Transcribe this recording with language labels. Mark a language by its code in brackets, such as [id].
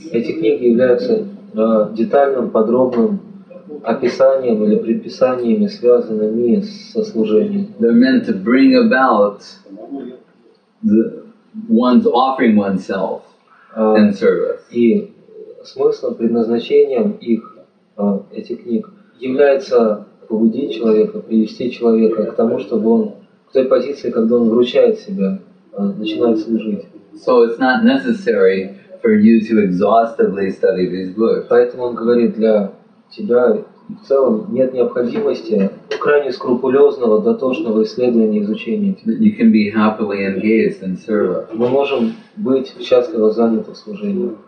[ru] Эти книги являются детальным, подробным описанием или предписаниями, связанными со служением. [en] They're meant to bring about the one's offering oneself in service. [ru] И смыслом, предназначением их этих книг является побудить человека, привести человека к тому, чтобы он в той позиции, когда он вручает себя, начинает служить. [en] So it's not necessary for you to exhaustively study these books. [ru] Поэтому он говорит, для тебя в целом нет необходимости крайне скрупулезного, дотошного исследования и изучения. [en] You can be happily engaged in service. [ru] Мы можем быть счастливо заняты в служении.